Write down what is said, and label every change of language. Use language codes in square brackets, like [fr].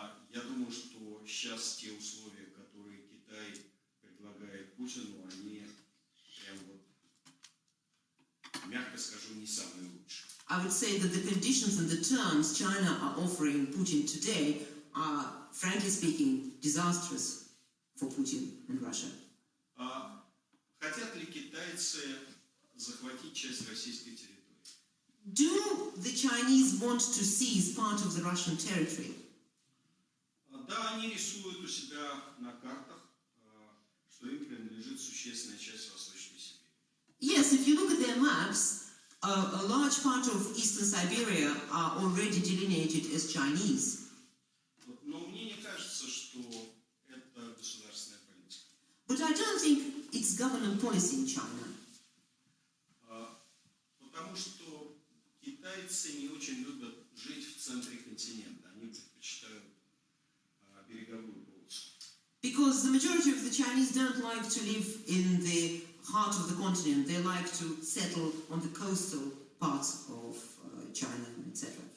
[ru] Я думаю, что сейчас те условия, которые Китай предлагает Путину, они прям вот, мягко скажу, не самые лучшие. [en] I would say that the conditions and the terms China are offering Putin today are, frankly speaking, disastrous for Putin and Russia. [ru] Хотят ли китайцы захватить часть российской территории? [en] Do the Chinese want to seize part of the Russian territory? [ru] Да, они рисуют у себя на картах, что им принадлежит существенная часть Восточной Сибири. [en] Yes, if you look at their maps, a large part of Eastern Siberia are already delineated as Chinese. [ru] Но мне не кажется, что это государственная политика. [en] But I don't think it's government policy in China. [ru] Потому что китайцы не очень любят жить в центре континента. Они предпочитают береговую полосу. [en] Because the majority of the Chinese don't like to live in the heart of the continent, they like to settle on the coastal parts of China, etc.